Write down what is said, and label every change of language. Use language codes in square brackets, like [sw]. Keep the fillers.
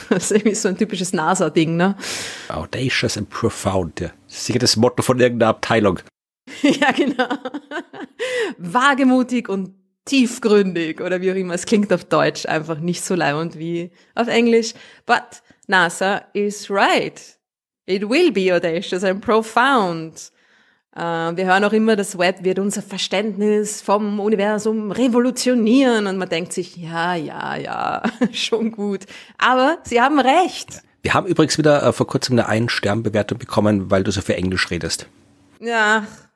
[de] Das ist irgendwie so ein typisches NASA-Ding, ne? [en] Audacious and profound, ja. [de] Sicher das Motto von irgendeiner Abteilung. ja, genau. Wagemutig und tiefgründig oder wie auch immer. Es klingt auf Deutsch einfach nicht so leimend wie auf Englisch. [en] But NASA is right. It will be audacious and profound. [de] Äh, Wir hören auch immer, das Web wird unser Verständnis vom Universum revolutionieren. Und man denkt sich, ja, ja, ja, schon gut. Aber Sie haben recht. Wir haben übrigens wieder äh, vor kurzem eine Ein-Stern-Bewertung bekommen, weil du so viel Englisch redest. Ja,